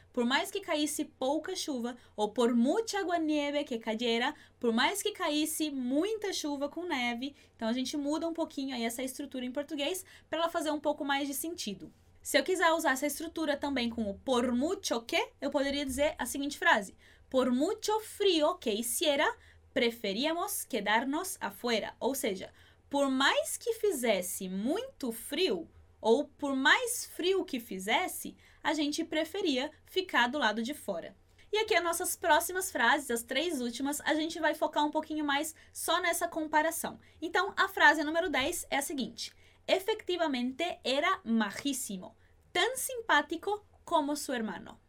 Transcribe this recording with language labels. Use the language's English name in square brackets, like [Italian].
[Portuguese] Por mais que caísse pouca chuva, ou [Spanish] por mucha agua nieve que cayera, [Portuguese] por mais que caísse muita chuva com neve, então a gente muda um pouquinho aí essa estrutura em português para ela fazer um pouco mais de sentido. Se eu quiser usar essa estrutura também com o por mucho que, eu poderia dizer a seguinte frase. [Spanish] Por mucho frio que hiciera, preferíamos quedarnos afuera. [Portuguese] Ou seja, por mais que fizesse muito frio, ou por mais frio que fizesse, a gente preferia ficar do lado de fora. E aqui as nossas próximas frases, as três últimas, a gente vai focar um pouquinho mais só nessa comparação. Então, a frase número 10 é a seguinte. [Spanish] Efectivamente era majísimo, tan simpático como su hermano.